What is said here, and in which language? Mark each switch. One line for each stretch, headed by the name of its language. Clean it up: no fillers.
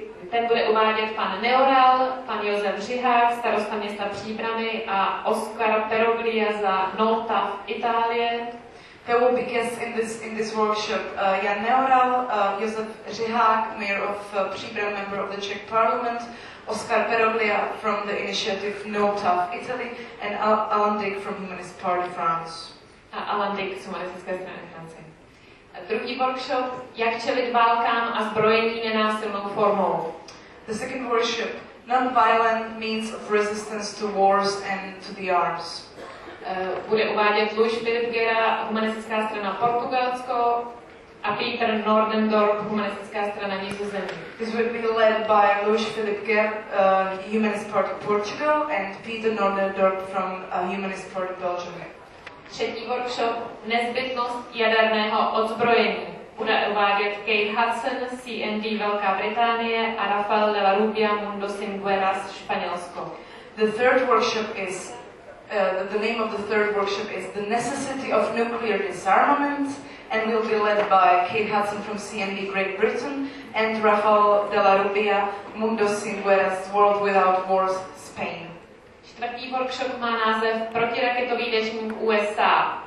Czech: Ten bude uvádět pan Neoral, pan Josef Žihák, starosta města Příbramy a Oskar Peroglia za Nota v Itálie.
English: There will be guests in this workshop, Jan Neoral, Josef Žihák, mayor of Příbram, member of the Czech Parliament, Oskar Peroglia from the initiative No Tough Italy, and Alan Dick from Humanist Party France.
Czech: A Alan Dick z Humanistické strany Francie. Druhý workshop, jak čelit válkám a zbrojení nenásilnou formou.
English: The second workshop, non-violent means of resistance to wars and to the arms.
Czech: Bude uvádět Luis Birgera, Humanistická strana Portugalsko, a Peter Nordendorp, Humanistická strana Nizozemí.
English: This will be led by Luis Filip Ger, Humanist Party Portugal, and Peter Nordendorp from Humanist Party Belgium.
Czech: Třetí workshop, nezbytnost jaderného odzbrojení, bude uvádět Kate Hudson, CND Velká Británie, a Rafael de la Rubia, Mundo Singueras, Španělsko.
English: The third workshop is the name of the third workshop is The Necessity of Nuclear Disarmament, and will be led by Kate Hudson from CND Great Britain and Rafael de la Rubia, Mundo Sin Guerras, World Without Wars, Spain.
Czech: Čtvrtý workshop má název Protiraketový deštník USA.